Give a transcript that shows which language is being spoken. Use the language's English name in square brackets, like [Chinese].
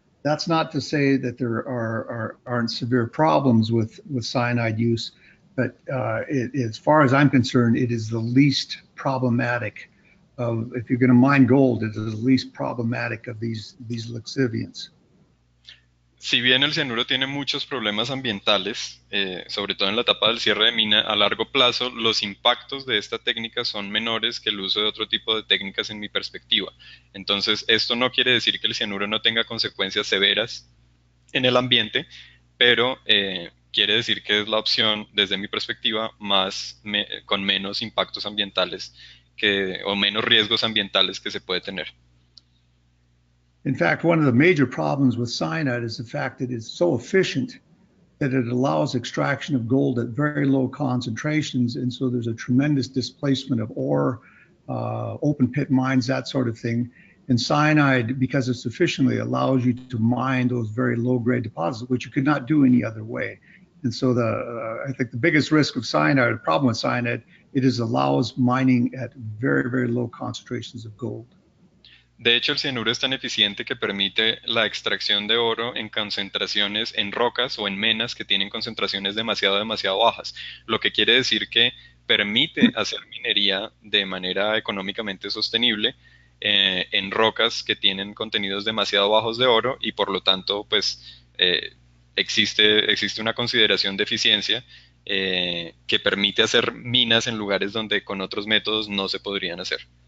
[English] That's not to say that there aren't severe problems with cyanide use, but as far as I'm concerned, it is the least problematic of, if you're going to mine gold, it is the least problematic of these lixiviants. [Spanish] Si bien el cianuro tiene muchos problemas ambientales, sobre todo en la etapa del cierre de mina, a largo plazo los impactos de esta técnica son menores que el uso de otro tipo de técnicas en mi perspectiva. Entonces, esto no quiere decir que el cianuro no tenga consecuencias severas en el ambiente, pero quiere decir que es la opción, desde mi perspectiva, con menos impactos ambientales o menos riesgos ambientales que se puede tener. [English] In fact, one of the major problems with cyanide is the fact that it's so efficient that it allows extraction of gold at very low concentrations. And so there's a tremendous displacement of ore, open pit mines, that sort of thing. And cyanide, because it's efficiently, allows you to mine those very low grade deposits, which you could not do any other way. And so I think the biggest risk of cyanide, the problem with cyanide, it is allows mining at very, very low concentrations of gold. [Spanish] De hecho, el cianuro es tan eficiente que permite la extracción de oro en concentraciones en rocas o en menas que tienen concentraciones demasiado, demasiado bajas, lo que quiere decir que permite hacer minería de manera económicamente sostenible en rocas que tienen contenidos demasiado bajos de oro y por lo tanto, pues existe una consideración de eficiencia que permite hacer minas en lugares donde con otros métodos no se podrían hacer.